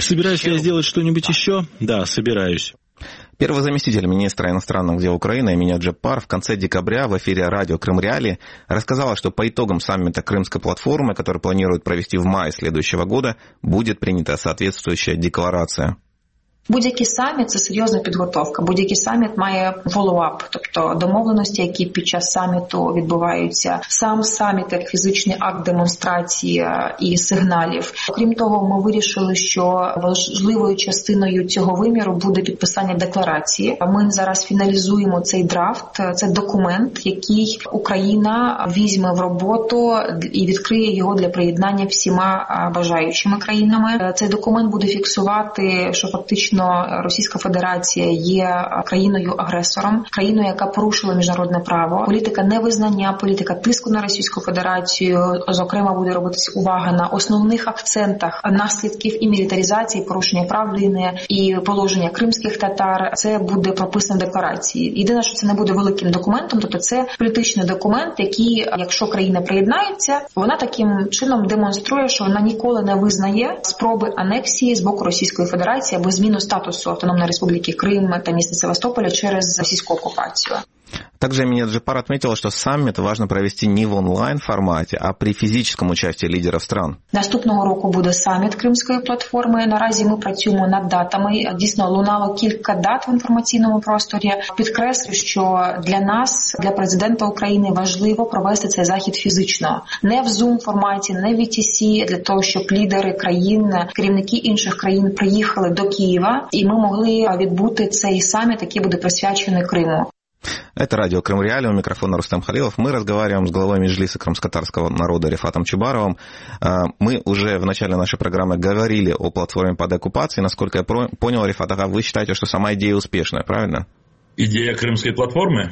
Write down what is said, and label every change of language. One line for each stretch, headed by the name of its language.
Russian: Собираюсь я сделать что-нибудь еще? Да, собираюсь. Первый заместитель министра иностранных дел Украины Эмин Джапар в конце декабря в эфире радио «Крым Реалии» рассказала, что по итогам саммита Крымской платформы, который планируют провести в мае следующего года, будет принята соответствующая декларация.
Ukrainian: Будь-який саміт – це серйозна підготовка. Будь-який саміт має follow-up, тобто домовленості, які під час саміту відбуваються. Сам саміт як фізичний акт демонстрації і сигналів. Окрім того, ми вирішили, що важливою частиною цього виміру буде підписання декларації. Ми зараз фіналізуємо цей драфт, це документ, який Україна візьме в роботу і відкриє його для приєднання всіма бажаючими країнами. Цей документ буде фіксувати, що фактично Російська Федерація є країною-агресором, країною, яка порушила міжнародне право. Політика невизнання, політика тиску на Російську Федерацію, зокрема, буде робитись увага на основних акцентах наслідків і мілітаризації, порушення прав людини і положення кримських татар. Це буде прописано в декларації. Єдине, що це не буде великим документом, тобто це політичний документ, який, якщо країна приєднається, вона таким чином демонструє, що вона ніколи не визнає спроби анексії з боку Російської Федерації або зміну статусу
Russian: Автономной Республики Крым и
Ukrainian: міста Севастополя
Russian: через российскую оккупацию. Также Эмин Джапар отметила, что саммит важно провести не в онлайн-формате, а при физическом участии лидеров стран.
Ukrainian: Наступного року буде саміт Кримської платформи. Наразі ми працюємо над датами. Дійсно, лунало кілька дат в інформаційному просторі. Підкреслю, що для нас, для президента України, важливо провести цей захід фізично. Не в Zoom-форматі, не в VTC, для того, щоб лідери країн, керівники інших країн приїхали до Києва, і ми могли відбути цей саміт, який буде присвячений Криму.
Russian: Это радио «Крым Реалии», у микрофона Рустам Халилов. Мы разговариваем с главой Меджлиса крымско-татарского народа Рифатом Чубаровым. Мы уже в начале нашей программы говорили о платформе под оккупацией. Насколько я понял, Рифат, вы считаете, что сама идея успешная, правильно? Идея Крымской платформы?